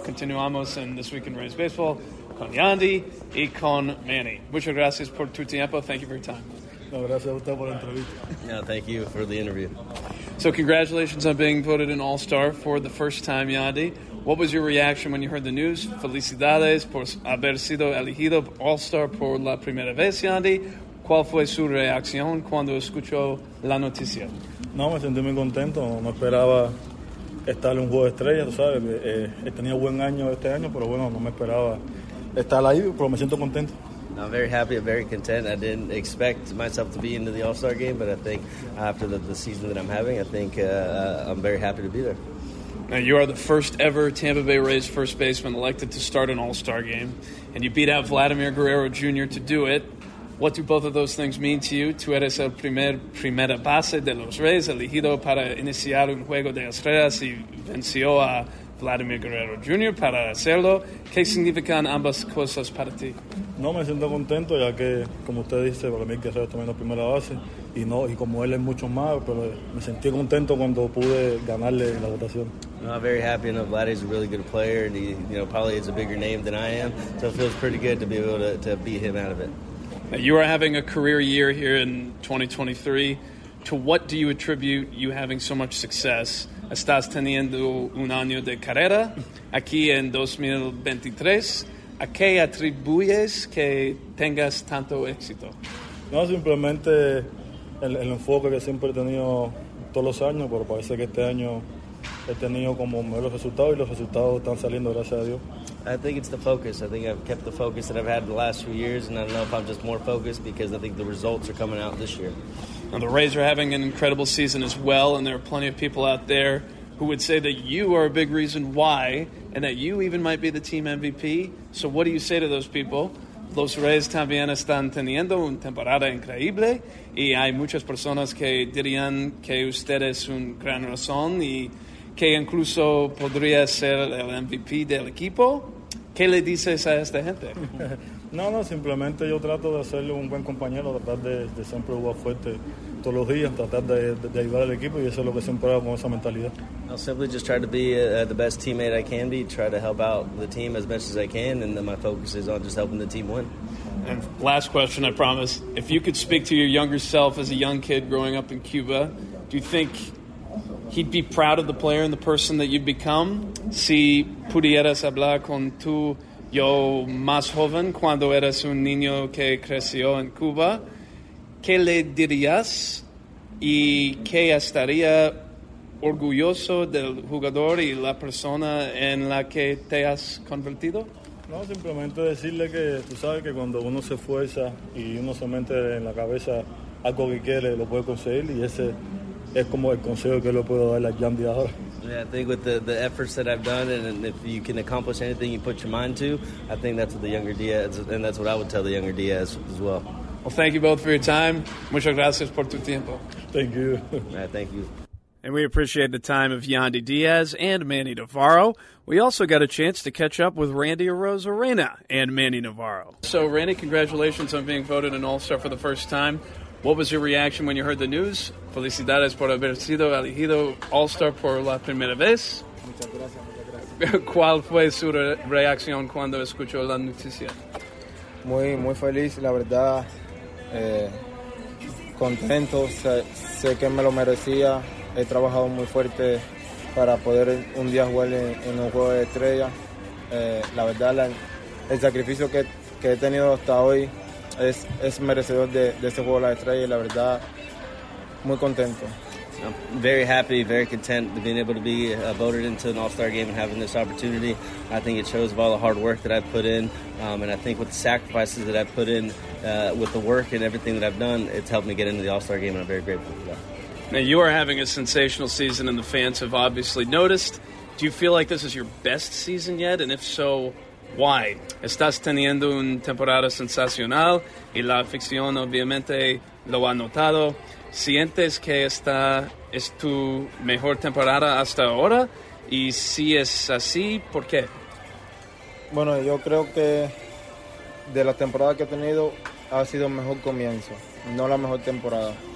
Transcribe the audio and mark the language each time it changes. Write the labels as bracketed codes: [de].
[es] Continuamos in This Week in Rays Baseball con Yandy y con Manny. Muchas gracias por tu tiempo. [en] Thank you for your time. [es] No, gracias a usted por la entrevista. [en] No, thank you for the interview. So congratulations on being voted an All-Star for the first time, Yandy. What was your reaction when you heard the news? [es] Felicidades por haber sido elegido All-Star por la primera vez, Yandy. ¿Cuál fue su reacción cuando escuchó la noticia? No, me sentí muy contento. No esperaba estar en un juego de estrellas, tú sabes. He tenido buen año este año, pero bueno, no me esperaba estar ahí, pero me siento contento. [en] I'm very happy, I'm very content. I didn't expect myself to be into the All-Star game, but I think after the season that I'm having, I think I'm very happy to be there. Now, you are the first ever Tampa Bay Rays first baseman elected to start an All-Star game, and you beat out Vladimir Guerrero Jr. to do it. What do both of those things mean to you? [es] Tú eres el primera base de los Rays, elegido para iniciar un juego de estrellas y venció a Vladimir Guerrero Jr. para hacerlo. ¿Qué significan ambas cosas para ti? No, me siento contento ya que, como usted dice, Vladimir Guerrero también es primera base y como él es mucho más, pero me sentí contento cuando pude ganarle la votación. [en] No, I'm very happy. You know, Vladdy's a really good player and he, you know, probably is a bigger name than I am, so it feels pretty good to be able to beat him out of it. You are having a career year here in 2023. To what do you attribute you having so much success? [es] Estás teniendo un año de carrera aquí en 2023. ¿A qué atribuyes que tengas tanto éxito? No, simplemente el enfoque que siempre he tenido todos los años, pero parece que este año he tenido como mejores resultados y los resultados están saliendo, gracias a Dios. [en] I think it's the focus. I think I've kept the focus that I've had the last few years, and I don't know if I'm just more focused because I think the results are coming out this year. Now, the Rays are having an incredible season as well, and there are plenty of people out there who would say that you are a big reason why, and that you even might be the team MVP. So what do you say to those people? [es] Los Rays también están teniendo una temporada increíble, y hay muchas personas que dirían que usted es un gran razón, y que incluso podría ser el MVP del equipo. ¿Qué le dices a esta gente? No, simplemente yo trato de hacerle un buen compañero, tratar de siempre jugar fuerte todos los días, tratar de ayudar al equipo, y eso es lo que siempre hago con esa mentalidad. [en] I'll simply just try to be the best teammate I can be, try to help out the team as best as I can, and then my focus is on just helping the team win. And last question, I promise. If you could speak to your younger self as a young kid growing up in Cuba, do you think he'd be proud of the player and the person that you've become? [es] Si pudieras hablar con tu yo más joven cuando eras un niño que creció en Cuba, ¿qué le dirías y qué estaría orgulloso del jugador y la persona en la que te has convertido? No, simplemente decirle que tú sabes que cuando uno se esfuerza y uno se mete en la cabeza algo que quiere, lo puede conseguir, y ese es como el consejo que le puedo dar a Jan de ahora. [en] Yeah, I think with the efforts that I've done, and if you can accomplish anything you put your mind to, I think that's what the younger Diaz, and that's what I would tell the younger Diaz as well. Well, thank you both for your time. [es] Muchas gracias por tu tiempo. [en] Thank you. Yeah, thank you. And we appreciate the time of Yandy Diaz and Manny Navarro. We also got a chance to catch up with Randy Arozarena and Manny Navarro. So, Randy, congratulations on being voted an All-Star for the first time. What was your reaction when you heard the news? [es] Felicidades por haber sido elegido All-Star por la primera vez. Muchas gracias. ¿Cuál fue su reacción cuando escuchó la noticia? Muy feliz, la verdad. Contento. Sé que me lo merecía. He trabajado muy fuerte para poder un día jugar en un juego de estrellas. La verdad, el sacrificio que he tenido hasta hoy es merecedor de este juego de las estrellas, y la verdad, muy contento. [en] I'm very happy, very content to being able to be voted into an All-Star game and having this opportunity. I think it shows of all the hard work that I've put in, and I think with the sacrifices that I've put in, with the work and everything that I've done, it's helped me get into the All-Star game, and I'm very grateful for that. Now, you are having a sensational season, and the fans have obviously noticed. Do you feel like this is your best season yet? And if so, why? [es] Estás teniendo una temporada sensacional, y la afición obviamente lo ha notado. ¿Sientes que esta es tu mejor temporada hasta ahora? Y si es así, ¿por qué? Bueno, yo creo que de la temporada que he tenido, ha sido el mejor comienzo, no la mejor temporada.